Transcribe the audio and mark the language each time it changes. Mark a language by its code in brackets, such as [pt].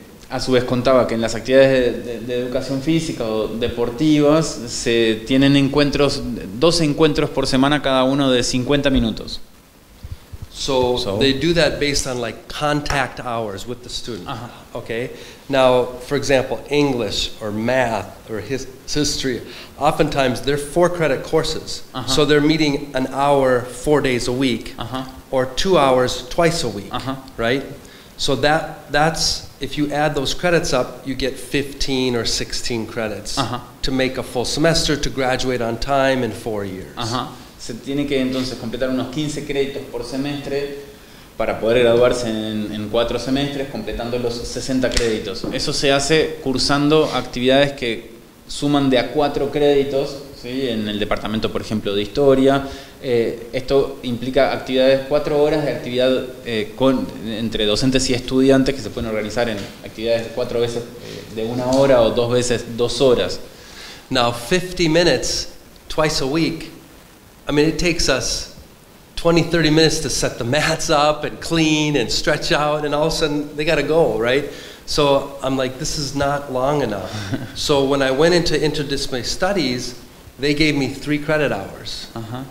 [es] A su vez contaba que en las actividades de educación física o deportivas se tienen encuentros, 2 encuentros por semana cada uno de 50 minutos. [en] So they do that based on like contact hours with the student. Uh-huh. Okay. Now, for example, English or math or history, oftentimes they're 4 credit courses. Uh-huh. So they're meeting an hour 4 days a week uh-huh. or 2 hours twice a week, uh-huh. right? So that's if you add those credits up, you get 15 or 16 credits uh-huh. to make a full semester to graduate on time in 4 years. Uh-huh. [es] Se tiene que entonces completar unos 15 créditos por semestre para poder graduarse en 4 semestres, completando los 60 créditos. Eso se hace cursando actividades que suman de a 4 créditos, ¿sí? En el departamento, por ejemplo, de historia. Esto implica actividades, 4 horas de actividad entre docentes y estudiantes, que se pueden organizar en actividades 4 veces de 1 hora o 2 veces 2 horas. [en] Now 50 minutes twice a week, I mean it takes us 20-30 minutes to set the mats up and clean and stretch out, and all of a sudden they gotta go, right? So I'm like, this is not long enough. So when I went into interdisciplinary studies, they gave me 3 credit hours. Uh-huh.